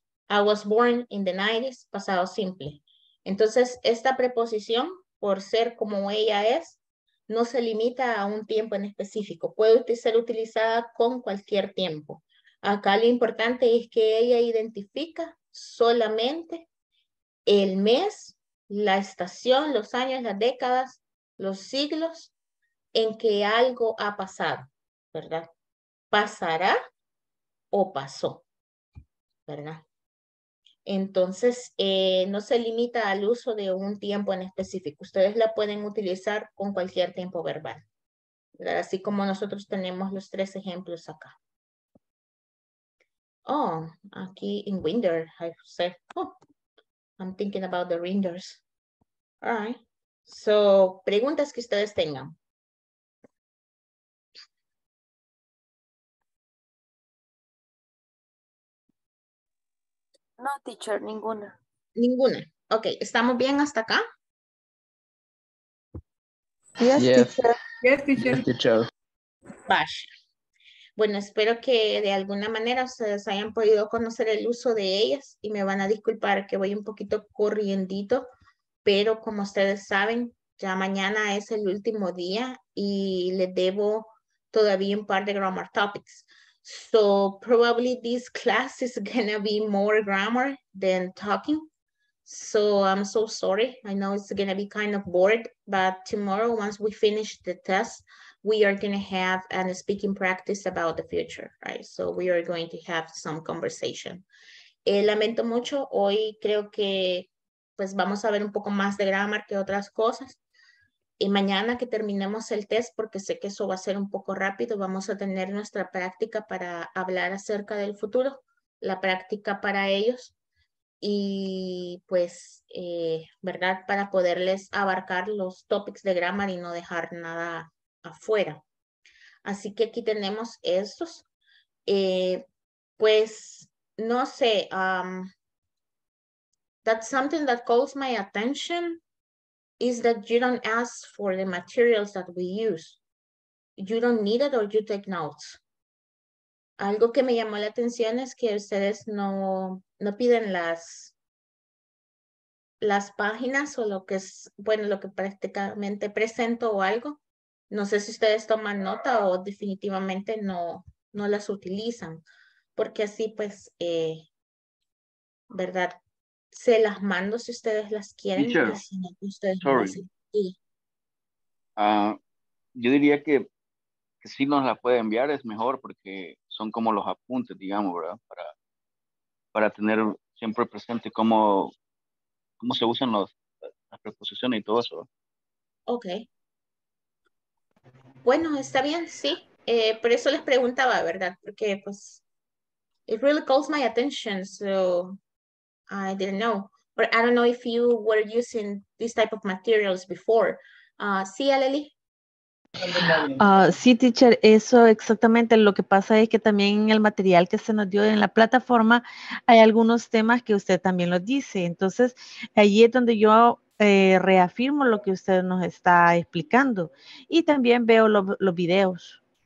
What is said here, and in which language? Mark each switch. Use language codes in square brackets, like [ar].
[en] I was born in the 90s, [es] pasado simple. Entonces, esta preposición, por ser como ella es, no se limita a un tiempo en específico. Puede ser utilizada con cualquier tiempo. Acá lo importante es que ella identifica solamente el mes, la estación, los años, las décadas, los siglos en que algo ha pasado, ¿verdad? ¿Pasará o pasó? ¿Verdad? Entonces, no se limita al uso de un tiempo en específico. Ustedes la pueden utilizar con cualquier tiempo verbal, ¿verdad? Así como nosotros tenemos los tres ejemplos acá. [en] Oh, aquí in winter, I said, oh, I'm thinking about the winters. All right. [es] So, preguntas que ustedes tengan. No, teacher, ninguna. Ninguna. Ok, ¿estamos bien hasta acá? [en] Yes, teacher. [es] Vaya. Bueno, espero que de alguna manera ustedes hayan podido conocer el uso de ellas y me van a disculpar que voy un poquito corriendito, pero como ustedes saben, ya mañana es el último día y les debo todavía un par de grammar topics. [en] So probably this class is going to be more grammar than talking. So I'm so sorry. I know it's going to be kind of bored, but tomorrow, once we finish the test, we are going to have a speaking practice about the future, right? So we are going to have some conversation. [es] Lamento mucho, hoy creo que pues vamos a ver un poco más de grammar que otras cosas. Y mañana que terminemos el test, porque sé que eso va a ser un poco rápido, vamos a tener nuestra práctica para hablar acerca del futuro, la práctica para ellos. Y pues, ¿verdad? Para poderles abarcar los topics de grammar y no dejar nada afuera. Así que aquí tenemos estos. Pues, no sé, [en] that's something that calls my attention is that you don't ask for the materials that we use. You don't need it or you take notes. [es] Algo que me llamó la atención es que ustedes no piden las páginas o lo que es, bueno, lo que prácticamente presento o algo. No sé si ustedes toman nota o definitivamente no las utilizan. Porque así, pues, ¿verdad? Se las mando si ustedes las quieren. [en] Teacher, [es] ustedes [en] sorry. [es] Yo diría que si nos las puede enviar es mejor porque son como los apuntes, digamos, ¿verdad? Para tener siempre presente cómo se usan las preposiciones y todo eso. Ok. Bueno, está bien, sí. Por eso les preguntaba, ¿verdad? Porque, pues, [en] it really calls my attention, so I didn't know. But I don't know if you were using this type of materials before. [es] ¿Sí, Aleli? Sí, teacher, eso exactamente. Lo que pasa es que también en el material que se nos dio en la plataforma hay algunos temas que usted también los dice. Entonces, ahí es donde yo reafirmo lo que usted nos está explicando. Y también veo los videos.